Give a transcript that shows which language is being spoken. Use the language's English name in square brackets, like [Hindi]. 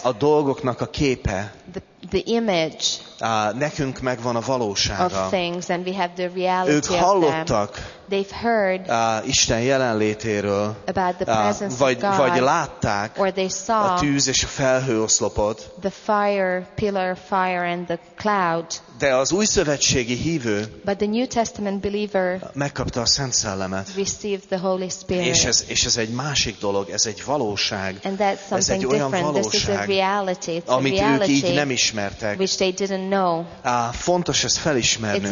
[Hungarian] a dolgoknak a képe. [English] The image. [Hungarian] Nekünk megvan a valósága. [English] Of things, and we have the reality. [Hungarian] Ők hallottak. [English] They've heard [Hungarian] Isten jelenlétéről, [English] about the presence of God, [Hungarian] vagy látták, [English] or they saw [Hungarian] a tűz és a felhő oszlopot, [English] the fire, pillar of fire and the cloud. [Hungarian] De az új szövetségi hívő, [English] but the New Testament believer, [Hungarian] megkapta a Szent Szellemet, [English] received the Holy Spirit. [Hungarian] És ez egy másik dolog, ez egy valóság, [English] and that's something [Hungarian] ez egy olyan [English] different. [Hungarian] Valóság, [English] this is a reality. It's [Hungarian] amit [English] a reality, [Hungarian] ők így nem ismertek, [English] which they didn't know. [Hungarian] Fontos ezt felismernünk.